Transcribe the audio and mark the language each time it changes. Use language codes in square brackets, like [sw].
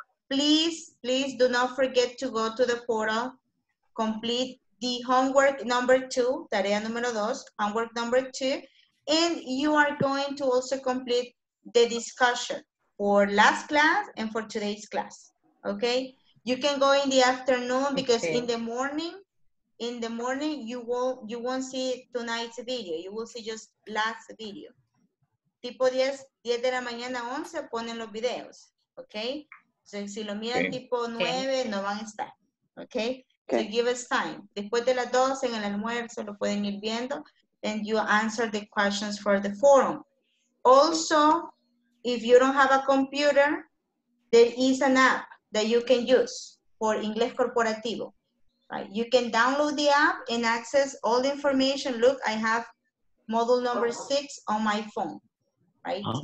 [en] Please do not forget to go to the portal, complete the homework number two, [es] tarea número dos, [en] homework number two, and you are going to also complete the discussion for last class and for today's class, okay? You can go in the afternoon because okay. in the morning you won't see tonight's video, you will see just last video. [es] Tipo 10 de la mañana, 11, ponen los videos, okay? So, si lo miran tipo 9, no van a estar. Okay? [en] So, give us time. [es] Después de las 12 en el almuerzo, lo pueden ir viendo. [en] And you answer the questions for the forum. Also, if you don't have a computer, there is an app that you can use for Inglés Corporativo. Right? You can download the app and access all the information. Look, I have module number 6 on my phone. Right?